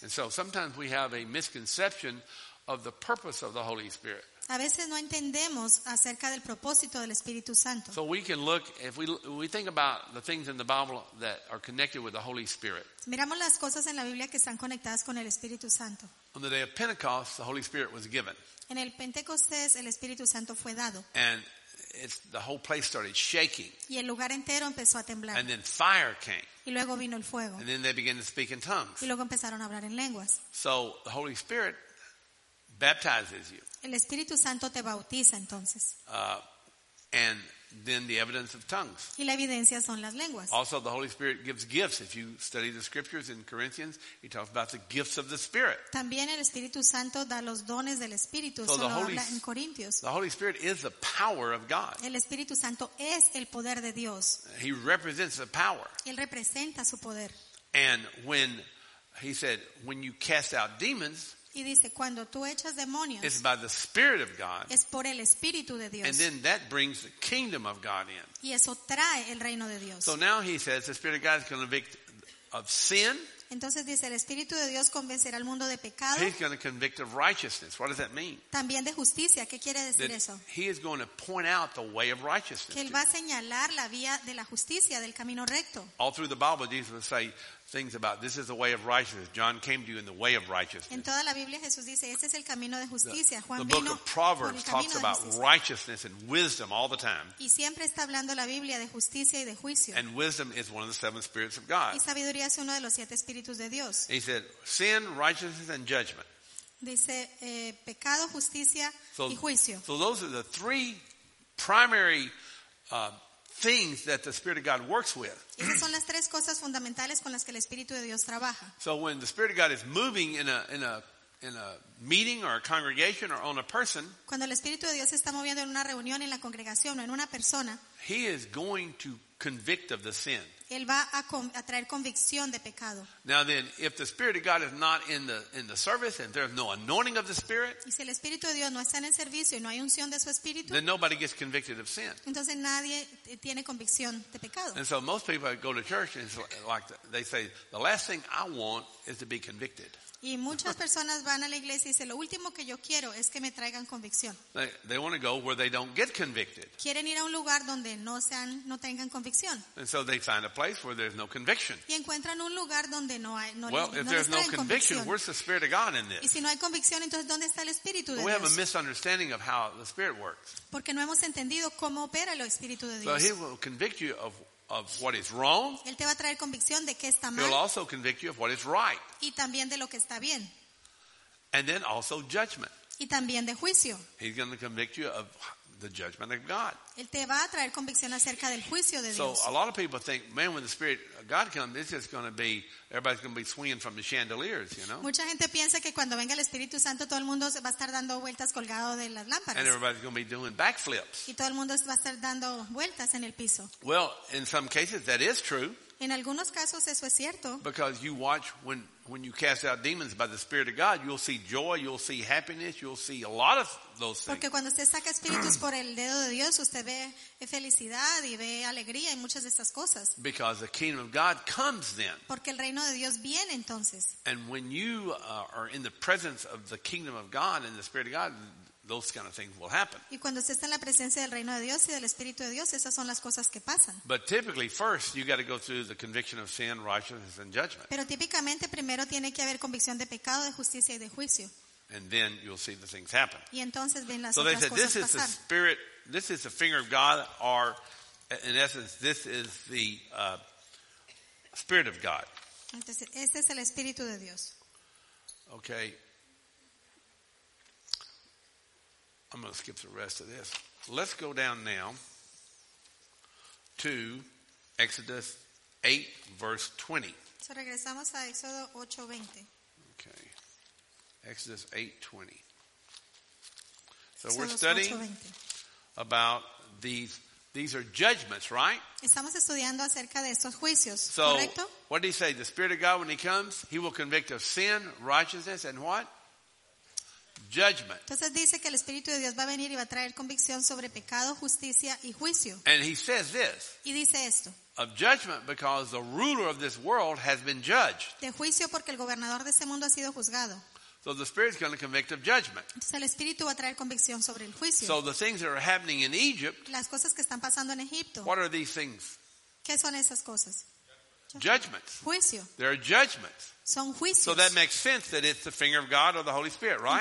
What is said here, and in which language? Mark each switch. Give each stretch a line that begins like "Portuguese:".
English: And so sometimes we have a misconception of the purpose of the Holy Spirit.
Spanish: A veces no entendemos acerca del propósito del Espíritu Santo.
English: So we can look, if we think about the things in the Bible that are connected with the Holy Spirit.
Spanish: Miramos las cosas en la Biblia que están conectadas con el Espíritu Santo.
English: On the day of Pentecost, the Holy Spirit was given.
Spanish: En el Pentecostés, el Espíritu Santo fue dado.
English: And it's, the whole place started shaking.
Spanish: Y el lugar entero empezó a temblar.
English: And then fire came.
Spanish: Y luego vino el fuego.
English: And then they began to speak in tongues.
Spanish: Y luego empezaron a hablar en lenguas.
English: So the Holy Spirit baptizes you.
Spanish: El Espíritu Santo te bautiza entonces.
English: And then the evidence of tongues.
Spanish: Y la evidencia son las lenguas.
English: Also, the Holy Spirit gives gifts. If you study the scriptures in Corinthians, he talks about the gifts of the Spirit.
Spanish: También el Espíritu Santo da los dones del Espíritu. Solo habla en Corintios.
English: The Holy Spirit is the power of God.
Spanish: El Espíritu Santo es el poder de Dios.
English: He represents the power.
Spanish: Él representa su poder.
English: And when he said, when you cast out demons.
Spanish: Y dice, cuando tú echas demonios,
English: it's by the Spirit of God,
Spanish: es por el Espíritu de Dios.
English: And then that brings the kingdom of God in.
Spanish: Y eso trae el reino de Dios.
English: So now he says the Spirit of God is going to convict of sin.
Spanish: Entonces dice, el Espíritu de Dios convencerá al mundo de pecado.
English: He's going to convict of righteousness. What does that mean?
Spanish: También de justicia. ¿Qué quiere decir
English: that
Spanish: eso?
English: He is going to point out the way of righteousness.
Spanish: Que él va a señalar la vía de la justicia, del camino recto.
English: All through the Bible, Jesus will say things about this is the way of righteousness. John came to you in the way of righteousness.
Spanish: En toda la Biblia Jesús dice, este es el camino de justicia. Juan vino por el camino de justicia.
English: The book of Proverbs talks about righteousness and wisdom all the time.
Spanish: Y siempre está hablando la Biblia de justicia y de juicio.
English: And wisdom is one of the seven spirits of God.
Spanish: Y sabiduría es uno de los siete espíritus de Dios.
English: He said, sin, righteousness, and judgment.
Spanish: Dice, pecado, justicia y juicio.
English: So those are the three primary things that the Spirit of God works with.
Spanish: Esas son las tres cosas fundamentales con las que el Espíritu de Dios trabaja.
English: So when the Spirit of God is moving in a meeting or a congregation or on a person,
Spanish: cuando el Espíritu de Dios está moviendo en una reunión, en la congregación o en una persona,
English: he is going to convict of the sin.
Spanish: Él va a traer convicción de pecado.
English: Now then, if the Spirit of God is not in the service and there's no anointing of the Spirit,
Spanish: y si el Espíritu de Dios no está en el servicio y no hay unción de su Espíritu,
English: then nobody gets convicted of sin.
Spanish: Entonces nadie tiene convicción de pecado.
English: And so most people go to church and it's like they say, the last thing I want is to be convicted.
Spanish: Y muchas personas van a la iglesia y dicen, lo último que yo quiero es que me traigan convicción.
English: They want to go where they don't get convicted.
Spanish: Quieren ir a un lugar donde no tengan convicción.
English: And so they find a place where there's no conviction.
Spanish: Y encuentran un lugar donde no hay convicción.
English: Well, if there's no conviction, where's the Spirit of God in this?
Spanish: Y si no hay convicción, entonces ¿dónde está el Espíritu de Dios?
English: We have a misunderstanding of how the Spirit works.
Spanish: Porque no hemos entendido cómo opera el Espíritu de Dios.
English: So he will convict you of what is wrong.
Spanish: Él te va a traer convicción de qué está mal.
English: He'll also convict you of what is right.
Spanish: Y también de lo que está bien.
English: And then also judgment.
Spanish: Y también de juicio.
English: He's going to convict you of the judgment of God.
Spanish: Él te va a traer convicción acerca del juicio de Dios.
English: So a lot of people think, man, when the Spirit of God comes, it's just going to be, everybody's going to be swinging from the chandeliers, you know.
Spanish: Mucha gente piensa que cuando venga el Espíritu Santo todo el mundo va a estar dando vueltas colgado de las lámparas.
English: And everybody's going to be doing backflips.
Spanish: Y todo el mundo va a estar dando vueltas en el piso.
English: Well, in some cases that is true.
Spanish: En algunos casos eso es cierto.
English: Because you watch when you cast out demons by the Spirit of God, you'll see joy, you'll see happiness, you'll see a lot of those things.
Spanish: Porque cuando usted saca espíritus por el dedo de Dios, usted ve felicidad y ve alegría y muchas de estas cosas.
English: Because the kingdom of God comes then.
Spanish: Porque el reino de Dios viene entonces.
English: And when you are in the presence of the kingdom of God and the Spirit of God, those kind of things will happen.
Spanish: Y cuando usted está en la presencia del reino de Dios y del Espíritu de Dios, esas son las cosas que pasan.
English: But typically, first you got to go through the conviction of sin, righteousness, and judgment.
Spanish: Pero típicamente primero tiene que haber convicción de pecado, de justicia y de juicio.
English: And then you'll see the things happen.
Spanish: Y entonces ven las
English: so
Spanish: otras cosas pasar.
English: So they said, this is
Spanish: pasar.
English: The Spirit. This is the finger of God, or in essence, this is the Spirit of God.
Spanish: Entonces, este es el Espíritu de Dios.
English: Okay. I'm going to skip the rest of this. Let's go down now to Exodus 8, verse 20.
Spanish: So regresamos a Éxodo 8, 20.
English: Okay. Exodus 8, 20. So we're studying about these are judgments, right?
Spanish: Estamos estudiando acerca de estos juicios,
English: so,
Spanish: ¿correcto?
English: What did he say? The Spirit of God, when he comes, he will convict of sin, righteousness, and what? Judgment.
Spanish: Entonces dice que el Espíritu de Dios va a venir y va a traer convicción sobre pecado, justicia y juicio.
English: And he says this.
Spanish: Y dice esto.
English: Of judgment, because the ruler of this world has been judged.
Spanish: De juicio, porque el gobernador de este mundo ha sido juzgado.
English: So the Spirit's going to convict of judgment.
Spanish: Entonces el Espíritu va a traer convicción sobre el juicio.
English: So the things that are happening in Egypt.
Spanish: Las cosas que están pasando en Egipto.
English: What are these things?
Spanish: ¿Qué son esas cosas?
English: Judgments.
Spanish: Juicio.
English: There are judgments.
Spanish: Son juicios.
English: So that makes sense that it's the finger of God or the Holy Spirit, right?